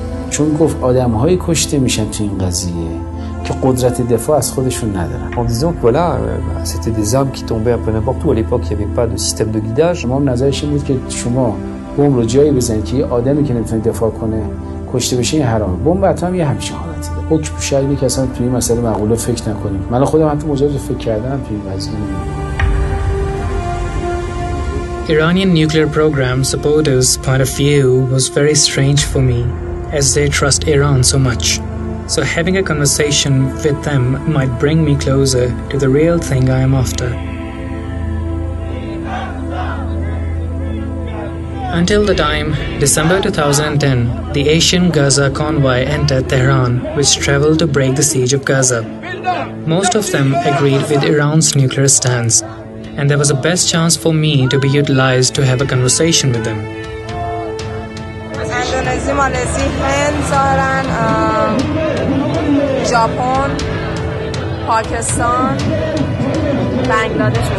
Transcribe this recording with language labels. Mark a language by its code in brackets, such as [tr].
[fa] چون گفت آدم‌های کشته میشن تو این قضیه که قدرت دفاع از خودشون ندارن. [fr] En disant que voilà, c'était des armes qui tombaient un peu n'importe où. À l'époque, il y avait pas de système de guidage. [fa] من نظرش این بود که شما بمب رو جایی بزنید که آدمی که نمیتونه دفاع کنه کشته بشه، این حرام. بمب اتمی هم همین حالت داره. حکم شاید اینه که اصلا تو این مسئله معقوله فکر نکنیم. من خودم حتی مجرد فکر کردم تو این قضیه. [en] Iranian nuclear program supporters' point of view was very strange for me, as they trust Iran so much. So having a conversation with them might bring me closer to the real thing I am after. Until the time, December 2010, the Asian Gaza convoy entered Tehran, which traveled to break the siege of Gaza. Most of them agreed with Iran's nuclear stance, and there was a best chance for me to be utilized to have a conversation with them. [fa] اندونزی، مالزی، هند، زارن، ژاپن، پاکستان، بنگلادش و